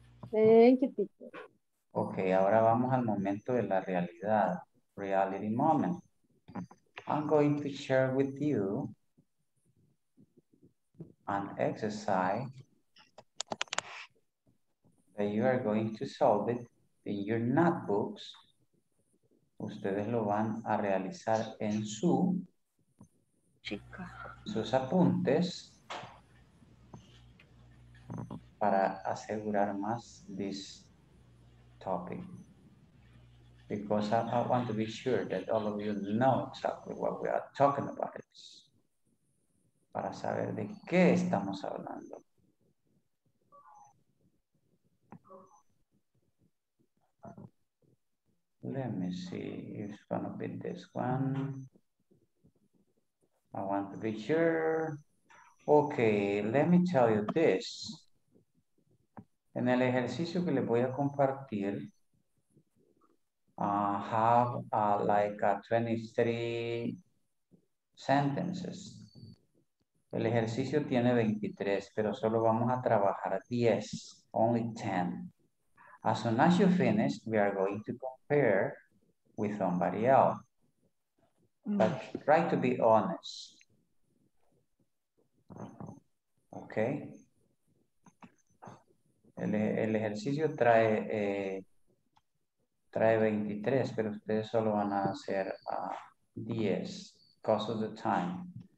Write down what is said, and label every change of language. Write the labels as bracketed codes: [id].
[es] Okay, ahora vamos al momento de la realidad. [en] Reality moment. I'm going to share with you an exercise that you are going to solve it in your notebooks. [es] Ustedes lo van a realizar en su sus apuntes. Para asegurar más [en] this topic. Because I want to be sure that all of you know exactly what we are talking about. [es] Para saber de qué estamos hablando. [en] Let me see if it's going to be this one. I want to be sure. Okay, let me tell you this. [es] En el ejercicio que les voy a compartir, [en] have like 23 sentences. [es] El ejercicio tiene 23, pero solo vamos a trabajar 10, [en] only 10. As soon as you finish, we are going to compare with somebody else. But try to be honest. Okay. [es] El ejercicio trae, trae 23, pero ustedes solo van a hacer 10 [en] because of the time.